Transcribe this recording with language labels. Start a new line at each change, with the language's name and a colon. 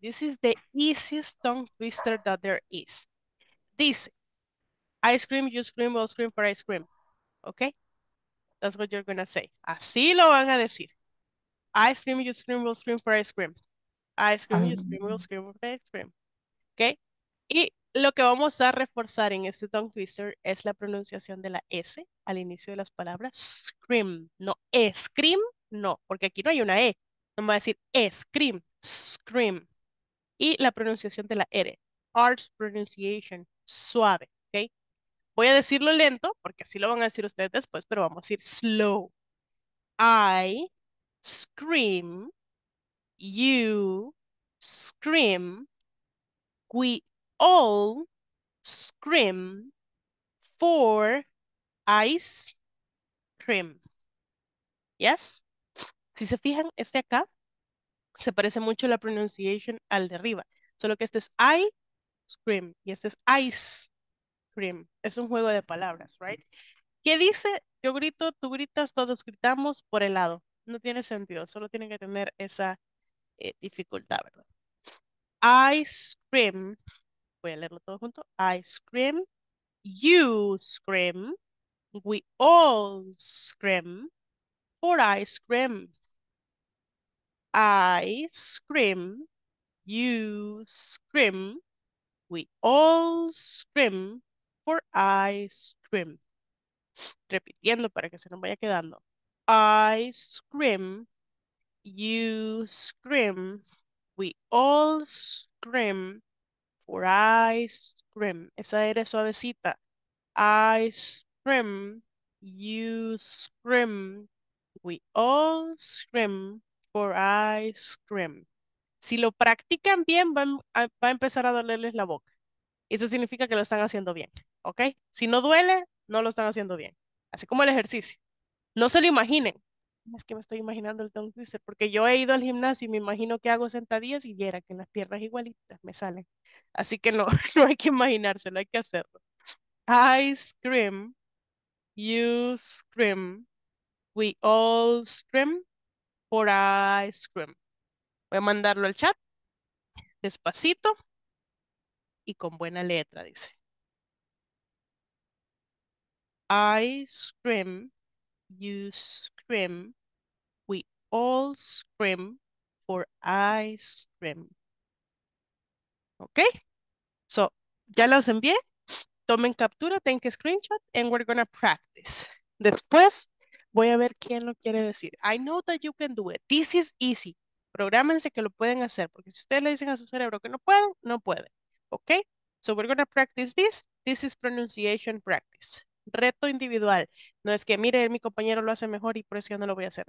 English: This is the easiest tongue twister that there is. Dice, ice cream, you scream, we'll scream for ice cream. Okay? That's what you're gonna say.
Spanish: Así lo van a decir.
English: Ice cream, you scream, we'll scream for ice cream. Ice cream, you scream, we'll scream for ice cream. Okay?
Spanish: Y lo que vamos a reforzar en este tongue twister es la pronunciación de la S al inicio de las palabras. Scream. No, scream, no. Porque aquí no hay una E. No me va a decir scream, scream. Y la pronunciación de la R.
English: Arch pronunciation.
Spanish: Suave.
English: Okay?
Spanish: Voy a decirlo lento, porque así lo van a decir ustedes después, pero vamos a decir slow.
English: I scream, you scream, we all scream for ice cream.
Spanish: Yes? Si se fijan, este acá se parece mucho la pronunciation al de arriba, solo que este es I scream y este es ice cream. Es un juego de palabras, right? ¿Qué dice? Yo grito, tú gritas, todos gritamos por helado. No tiene sentido, solo tiene que tener esa dificultad, ¿verdad? Ice cream, voy a leerlo todo junto.
English: Ice cream, you scream, we all scream for ice cream. I scream, you scream, we all scream for ice cream.
Spanish: Repitiendo para que se nos vaya quedando.
English: I scream, you scream, we all scream for ice cream.
Spanish: Esa era suavecita.
English: I scream, you scream, we all scream for ice cream.
Spanish: Si lo practican bien, va a empezar a dolerles la boca. Eso significa que lo están haciendo bien, ¿ok? Si no duele, no lo están haciendo bien. Así como el ejercicio. No se lo imaginen. Es que me estoy imaginando el tongue twister, porque yo he ido al gimnasio y me imagino que hago sentadillas y viera que las piernas igualitas me salen. Así que no, no hay que imaginárselo, hay que hacerlo.
English: Ice cream, you scream, we all scream for ice cream.
Spanish: Voy a mandarlo al chat despacito y con buena letra, dice.
English: I scream, you scream, we all scream for ice cream. Okay? So,
Spanish: ya los envié. Tomen captura,
English: take a screenshot, and we're gonna practice.
Spanish: Después, voy a ver quién lo quiere decir.
English: I know that you can do it. This is easy.
Spanish: Prográmense que lo pueden hacer, porque si ustedes le dicen a su cerebro que no pueden, no pueden.
English: Okay? So, we're gonna practice this. This is pronunciation practice.
Spanish: Reto individual. No es que, mire, mi compañero lo hace mejor y por eso yo no lo voy a hacer.